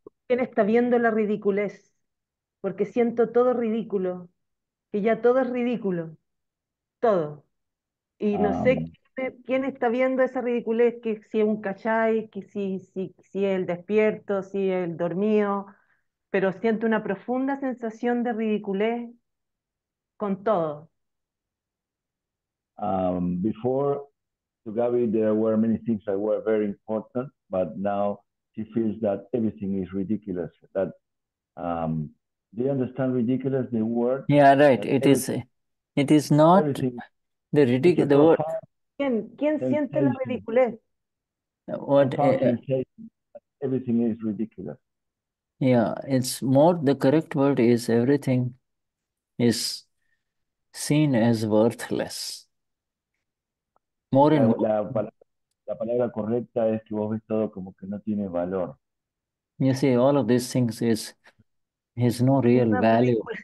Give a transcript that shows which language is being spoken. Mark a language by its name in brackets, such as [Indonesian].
[Spanish] ¿Quién está viendo la ridiculez? Porque siento todo ridículo, que ya todo es ridículo, todo. Y no sé quién está viendo esa ridiculez, que si es un cachai, que si el despierto, si el dormido, pero siento una profunda sensación de ridiculez con todo. [English] Before, to Gabi, there were many things that were very important, but now she feels that everything is ridiculous. That do you understand ridiculous, the word? Yeah, right. It is not the ridiculous, the word. [Spanish] ¿Quién siente la ridiculez? [English] What, everything is ridiculous. Yeah, it's more, the correct word is everything is seen as worthless. More and more. [Spanish] La palabra correcta es que vos ves todo como que no tiene valor. [English] You see, all of these things is no real value.